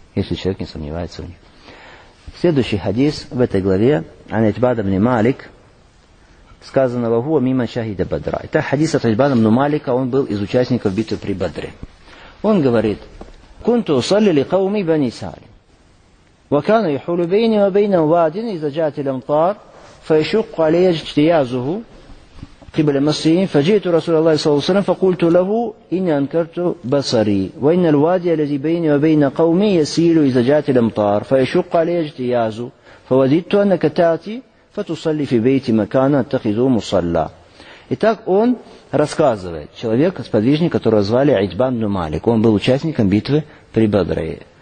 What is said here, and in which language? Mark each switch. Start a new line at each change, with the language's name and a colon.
Russian: Если человек не сомневается в них. Следующий хадис в этой главе, ан Утбан ибн Малик, сказано
Arabic: во хуа мима шахида Бадра.
Russian: Это хадис от Утбан ибн Малика, он был из участников битвы при Бадре. Он говорит,
Arabic: «Кунту усалли ли кауми бани сали». وكان يحول بيني وبين واد إذا جاءت الأمطار فيشق علي اجتيازه قبل المصريين فجئت رسول الله صلى الله عليه وسلم فقلت له إني أنكرت بصري وإن الوادي الذي بيني وبين قومي يسيل إذا جاءت الأمطار فيشق علي اجتيازه فوددت أنك تأتي فتصلي في بيتي مكانا أتخذه مصلى.
Russian: Итак, он рассказывает, человек, сподвижник, которого звали Утбан ибн Малик, он был участником битвы при Бадре.